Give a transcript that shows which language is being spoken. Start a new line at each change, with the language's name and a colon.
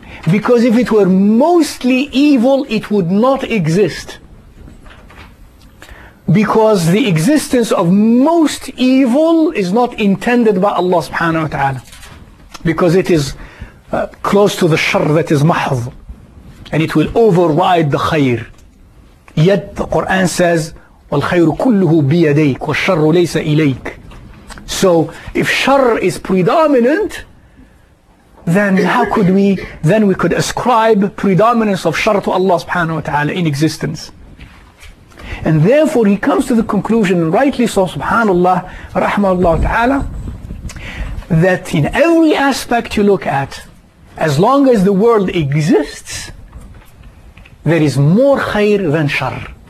English: Because if it were mostly evil, it would not exist. Because the existence of most evil is not intended by Allah subhanahu wa ta'ala. Because it is close to the shar that is mahz. And it will override the khayr. Yet the Quran says,
Arabic: وَالْخَيْرُ كُلُّهُ بِيَدَيْكَ وَالشَّرُّ لَيْسَ إِلَيْكَ.
English: So if shar is predominant, then how could we, then we could ascribe predominance of shar to Allah subhanahu wa ta'ala in existence. And therefore he comes to the conclusion, rightly so, subhanallah, rahmahullah ta'ala, that in every aspect you look at, as long as the world exists, there is more khair than shar.